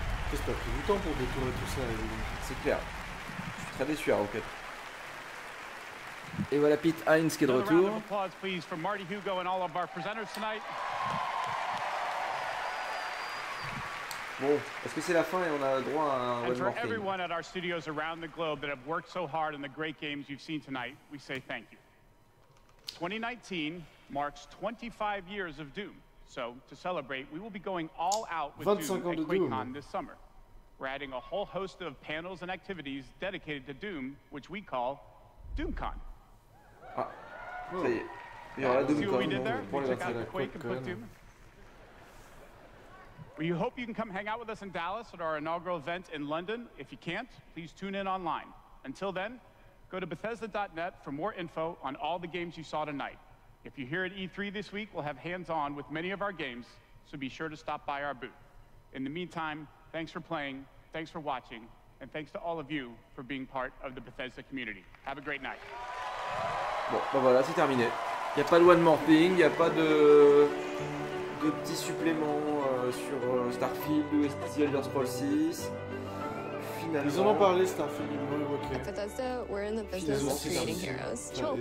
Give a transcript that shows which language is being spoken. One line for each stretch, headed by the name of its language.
French: Qu'est-ce que t'as pris du temps pour détourner tout ça? C'est clair. Je suis très déçu, Arrokado. Et voilà Pete Hines qui est de retour. Bon, est-ce que c'est la fin et on a droit à un
English: one more thing? Everyone at our studios around the globe that have worked so hard in the great games you've seen tonight, we say thank you. 2019 marks 25 years of Doom. So, to celebrate, we will be going all out with Doom at QuakeCon this summer. We're adding a whole host of panels and activities dedicated to Doom, which we call DoomCon.
French: Ah, ça y est. Il y aura DoomCon.
English: We hope you can come hang out with us in Dallas at our inaugural event in London. If you can't, please tune in online. Until then, go to Bethesda.net for more info on all the games you saw tonight. If you're here at E3 this week, we'll have hands-on with many of our games, so be sure to stop by our booth. In the meantime, thanks for playing, thanks for watching, and thanks to all of you for being part of the Bethesda community. Have a great night.
French: Bon, ben voilà, c'est terminé. Il y a pas de
English: one more thing,
French: il y a pas de petits suppléments sur Starfield ou Elder Scrolls 6. Ils en ont parlé, Starfield, ils l'ont évoqué.
English: Bethesda, we're in the business of creating heroes.